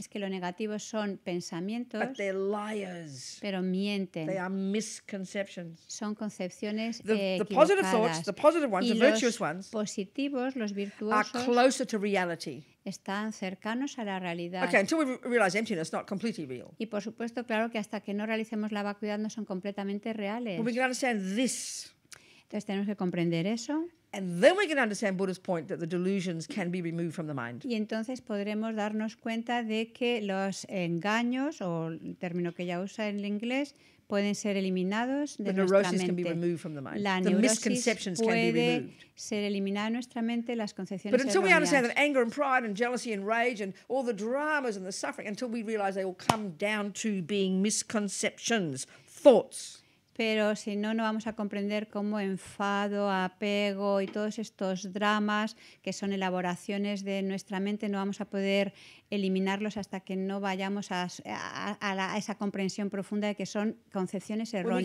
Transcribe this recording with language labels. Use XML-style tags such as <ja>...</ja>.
<es>Es que los negativos son pensamientos.</es> <en>But they're liars.</en> <es>Pero mienten.</es> <en>They are misconceptions.</en> <es>Son concepciones equivocadas.</es> <en>The positive thoughts, the positive ones,</en> <es>y</es> <en>the virtuous ones.</en> <es>Positivos, los virtuosos.</es> <en>Are closer to reality.</en> <es>Están cercanos a la realidad.</es> <en>Okay, until we realize emptiness, not completely real.</en> <es>Y por supuesto, claro que hasta que no realicemos la vacuidad no son completamente reales.</es> <en>Well, we can understand this.</en> <es>Entonces tenemos que comprender eso.</es> <en>And then we can understand Buddha's point that the delusions can be removed from the mind.</en> <es>Y entonces podremos darnos cuenta de que los engaños, o el término que ella usa en el inglés, pueden ser eliminados de nuestra mente.</es> <en>Can be removed from the mind.</en> <es>La neurosis puede ser eliminada de nuestra mente, las concepciones erróneas.</es> <en>But until we understand that anger and pride and jealousy and rage and all the dramas and the suffering, until we realize they all come down to being misconceptions, thoughts.</en> <es>Pero si no, no vamos a comprender cómo enfado, apego y todos estos dramas que son elaboraciones de nuestra mente, no vamos a poder eliminarlos hasta que no vayamos a esa comprensión profunda de que son concepciones erróneas.</es>